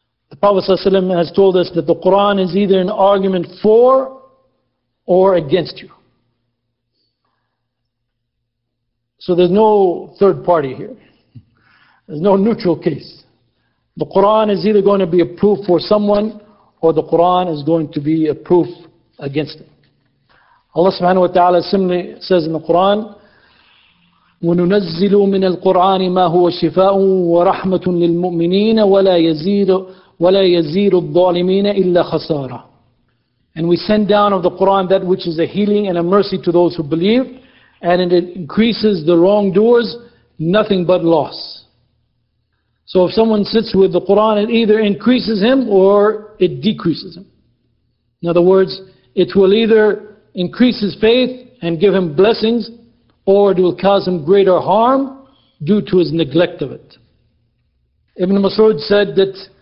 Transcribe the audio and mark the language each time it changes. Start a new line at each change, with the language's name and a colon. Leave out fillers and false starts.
English: The Prophet ﷺ has told us that the Qur'an is either an argument for or against you. So there's no third party here. There's no neutral case. The Qur'an is either going to be a proof for someone or the Qur'an is going to be a proof against them. Allah subhanahu wa ta'ala similarly says in the Qur'an,
Arabic: وَنُنَزِّلُ مِنَ الْقُرْآنِ مَا هُوَ شِفَاءٌ وَرَحْمَةٌ لِلْمُؤْمِنِينَ وَلَا يَزِيرُ الظَّالِمِينَ إِلَّا خَسَارًا.
English: And we send down of the Qur'an that which is a healing and a mercy to those who believe, and it increases the wrongdoers nothing but loss. So if someone sits with the Qur'an, it either increases him or it decreases him. In other words, it will either increase his faith and give him blessings, or it will cause him greater harm due to his neglect of it. Ibn Mas'ud said that